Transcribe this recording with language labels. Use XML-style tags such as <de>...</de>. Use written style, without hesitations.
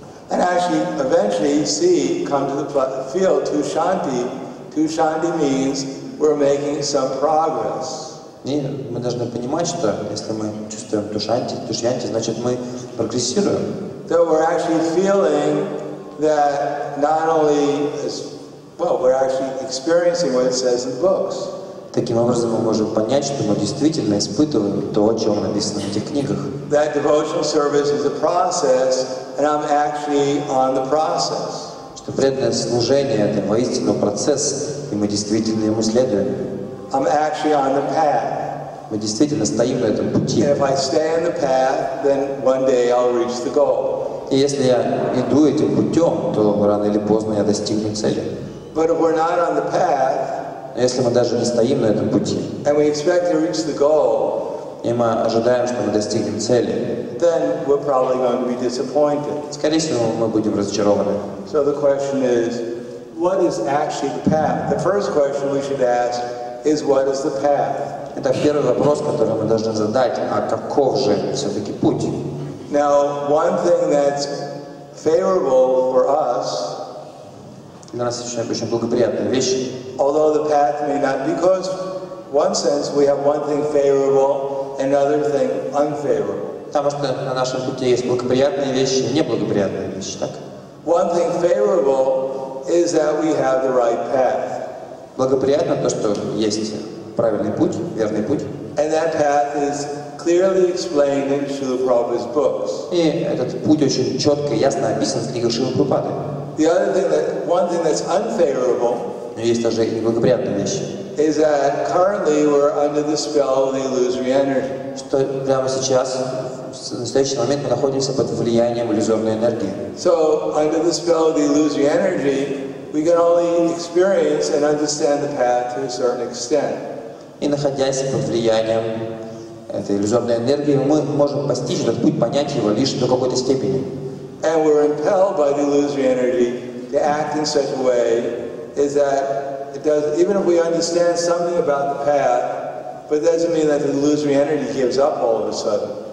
<en>and actually eventually see come to the field Tushanti. Tushanti means we're making some progress.</en> <ru>И мы должны понимать, что если мы чувствуем тушанти, тушьянти, значит мы прогрессируем.</ru> <en>So we're actually feeling that not only is, well, we're actually experiencing what it says in books.</en> <ru>Таким образом мы можем понять, что мы действительно испытываем то, о чем написано в этих книгах.</ru> <en>That devotional service is a process, and I'm actually on the process.</en> <ru>Что преданное служение — это воистину процесс, и мы действительно ему следуем.</ru> <en>I'm actually on the path.</en> <ru>Мы действительно стоим на этом пути.</ru> <en>And if I stay on the path, then one day I'll reach the goal.</en> <ru>И если я иду этим путем, то рано или поздно я достигну цели.</ru> <en>But if we're not on the path,</en> <ru>если мы даже не стоим на этом пути,</ru> <en>and we expect to reach the goal,</en> <ru>и мы ожидаем, что мы достигнем цели,</ru> <en>then we're probably going to be disappointed.</en> <ru>Скорее всего, мы будем разочарованы.</ru> <en>So the question is, what is actually the path? The first question we should ask is what is the path?</en> <ru>Это первый вопрос, который мы должны задать, а каков же все-таки путь?</ru> <en>Now, one thing that's favorable for us,</en> <ru>для нас очень благоприятная вещь,</ru> <en>although the path may not, because in one sense we have one thing favorable, another thing unfavorable.</en> <ru>Потому что на нашем пути есть благоприятные вещи, неблагоприятные вещи, так?</ru> <en>One thing favorable is that we have the right path.</en> <ru>Благоприятно то, что есть правильный путь, верный путь.</ru> <en>And that path is clearly explained in Srila Prabhupada's books.</en> <ru>И этот путь очень четко и ясно описан в книгах Шрилы Прабхупады.</ru> <en>The other thing, that, one thing that's unfavorable,</en> <ru>но есть тоже и неблагоприятная вещь,</ru> <en>is that currently we're under the spell of the illusory energy.</en> <ru>Что прямо сейчас, в настоящий момент, мы находимся под влиянием иллюзорной энергии.</ru> <en>So, under the spell of the illusory energy, we can only experience and understand the path to a certain extent.</en> <ru>И находясь под влиянием этой иллюзорной энергии, мы можем постичь этот путь, понять его лишь до какой-то степени.</ru> <en>And we're impelled by the illusory energy to act in such a way is that it does, even if we understand something about the path, but it doesn't mean that the illusory energy gives up all of a sudden.</en>